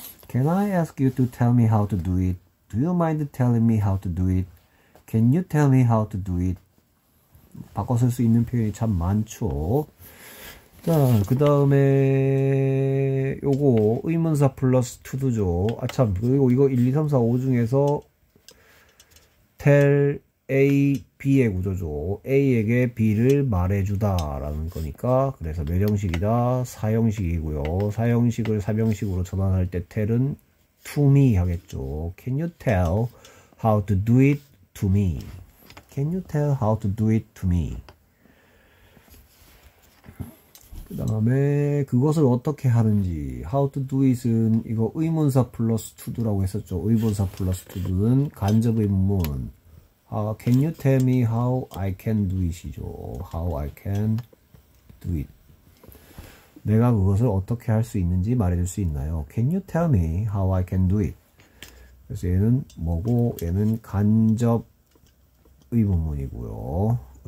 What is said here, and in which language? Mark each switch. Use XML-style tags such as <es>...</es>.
<en>Can I ask you to tell me how to do it? Do you mind telling me how to do it? Can you tell me how to do it?</en> <ko>바꿔 쓸 수 있는 표현이 참 많죠. 자, 그 다음에 요거 의문사 플러스 to do죠. 아 참, 그리고 이거 1, 2, 3, 4, 5 중에서 tell A, B의 구조죠. A에게 B를 말해주다 라는 거니까 그래서 명령식이다 사형식이고요. 사형식을 사명식으로 전환할 때 tell은 to me 하겠죠.</ko> <en>Can you tell how to do it to me? Can you tell how to do it to me?</en> <ko>그 다음에 그것을 어떻게 하는지</ko> <en>How to do it</en> <ko>은 이거 의문사 플러스 to do라고 했었죠. 의문사 플러스</ko> <en>to do는 간접 의문 can you tell me how I can do it이죠? How I can do it.</en> <ko>내가 그것을 어떻게 할 수 있는지 말해줄 수 있나요?</ko> <en>Can you tell me how I can do it?</en> <ko>그래서 얘는 뭐고? 얘는 간접 의문문이고요.</ko>